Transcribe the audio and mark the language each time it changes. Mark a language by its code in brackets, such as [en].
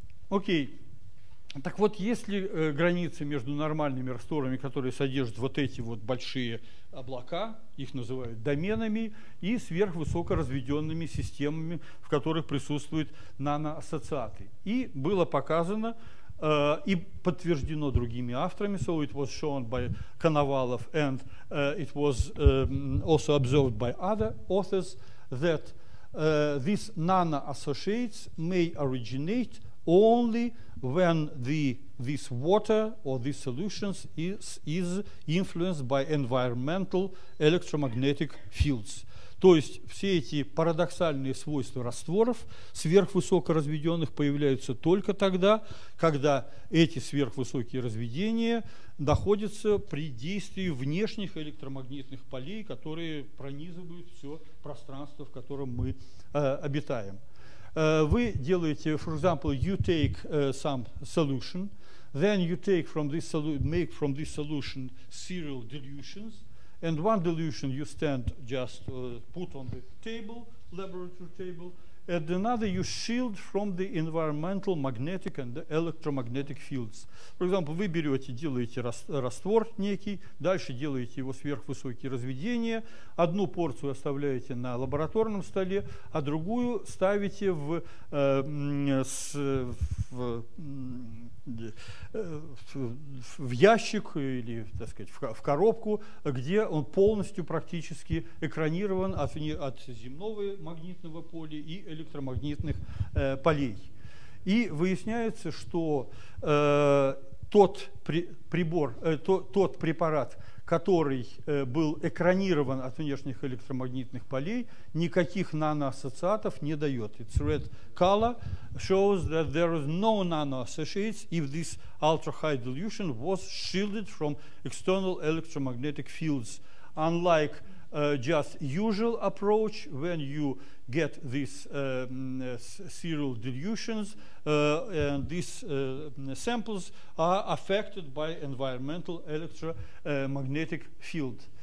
[ru] Окей. Так вот, есть ли границы между нормальными растворами, которые содержат вот эти вот большие облака, их называют доменами, и сверхвысокоразведенными системами, в которых присутствуют наноассоциаты? И было показано и подтверждено другими авторами. [en] So it was shown by Konovalov and it was also observed by other authors that these nanoassociates may originate only when this water or these solutions is influenced by environmental electromagnetic fields. [ru] То есть все эти парадоксальные свойства растворов сверхвысокоразведенных появляются только тогда, когда эти сверхвысокие разведения находятся при действии внешних электромагнитных полей, которые пронизывают все пространство, в котором мы обитаем. Вы делаете, [en] for example, you take some solution, then you take from this make from this solution serial dilutions, and one dilution you stand just put on the table, laboratory table, and another you shield from the environmental magnetic and the electromagnetic fields. For example, [ru] вы берете, делаете раствор некий, дальше делаете его сверхвысокие разведения, одну порцию оставляете на лабораторном столе, а другую ставите в ящик или, так сказать, в коробку, где он полностью практически экранирован от земного магнитного поля и электромагнитных полей. И выясняется, что тот препарат, который был экранирован от внешних электромагнитных полей, никаких наноассоциатов не дает. [en] Its red color shows that there is no nanoassociates if this ultra-high dilution was shielded from external electromagnetic fields. Unlike just usual approach, when you get these serial dilutions, and these samples are affected by environmental electromagnetic field.